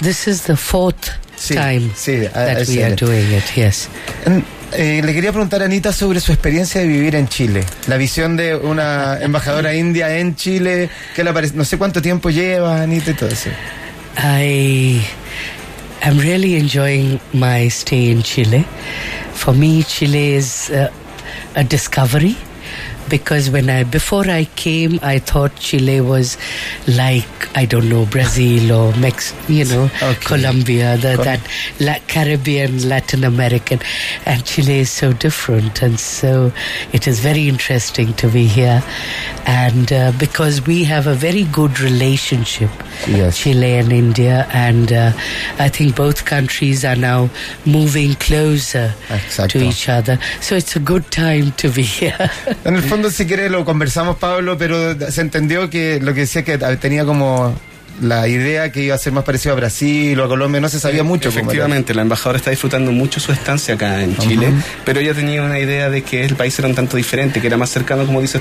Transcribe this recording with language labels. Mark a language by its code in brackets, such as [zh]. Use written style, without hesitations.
[en] This is the fourth time that we are doing it, yes. [es] And, le quería preguntar a Anita sobre su experiencia de vivir en Chile. La visión de una embajadora india en Chile. ¿Qué le parece? No sé cuánto tiempo lleva, Anita, y todo eso. [en] I'm really enjoying my stay in Chile. For me, Chile is a discovery, because before I came, I thought Chile was like, I don't know, Brazil or Colombia, that Caribbean, Latin American. And Chile is so different. And so it is very interesting to be here. And because we have a very good relationship, yes. Chile and India. And I think both countries are now moving closer [es] Exacto. [en] to each other. So it's a good time to be here. [es] Si quiere lo conversamos, Pablo, pero se entendió que lo que decía es que tenía como la idea que iba a ser más parecido a Brasil o a Colombia, no se sabía mucho. Efectivamente, la embajadora está disfrutando mucho su estancia acá en Chile, pero ella tenía una idea de que el país era un tanto diferente, que era más cercano, como dices